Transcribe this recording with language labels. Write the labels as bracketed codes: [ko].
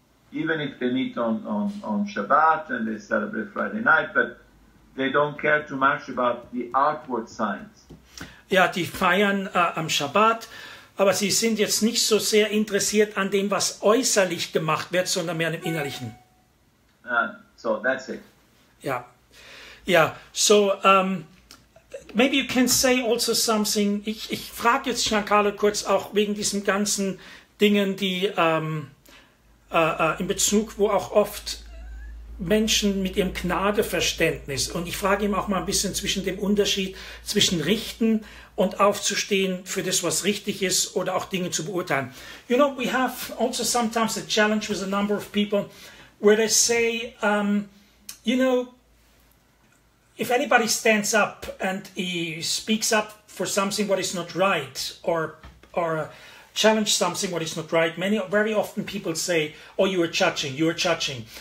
[en] Even if they meet on Shabbat and they celebrate Friday night, but they don't care too much about the outward signs. [de] Ja, die feiern am Shabbat, aber sie sind jetzt nicht so sehr interessiert an dem, was äußerlich gemacht wird, sondern mehr an dem Innerlichen. [en] So that's it. [de] Ja. [en] Yeah, so maybe you can say also something. [de] Ich frage jetzt Giancarlo kurz auch wegen diesen ganzen Dingen, die in Bezug, wo auch oft Menschen mit ihrem Gnadeverständnis, und ich frage ihm auch mal ein bisschen zwischen dem Unterschied zwischen richten und aufzustehen für das, was richtig ist, oder auch Dinge zu beurteilen. [en] You know, we have also sometimes a challenge with a number of people where they say, you know, if anybody stands up and he speaks up for something what is not right, or challenge something what is not right, very often people say, oh, you are judging.